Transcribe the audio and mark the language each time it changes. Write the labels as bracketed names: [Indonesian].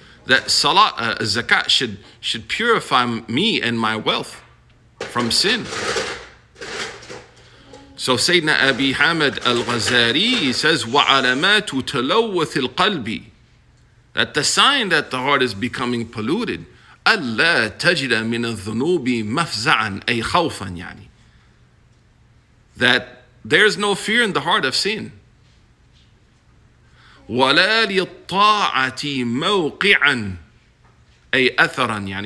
[English] That salah, zakat should purify me and my wealth from sin. So Sayyidina Abi Hamad al-Ghazari says, [Arabic] wa alamatu talawwath al-qalbi. [English] That the sign that the heart is becoming polluted. [Arabic] أَلَّا تَجِدَ مِنَ الذُّنُوبِ مَفْزَعًا أَيْ خَوْفًا يعني. [English] That there is no fear in the heart of sin. [Arabic] وَلَا لِلطَّاعَةِ مَوْقِعًا أَيْ أَثَرًا يعني.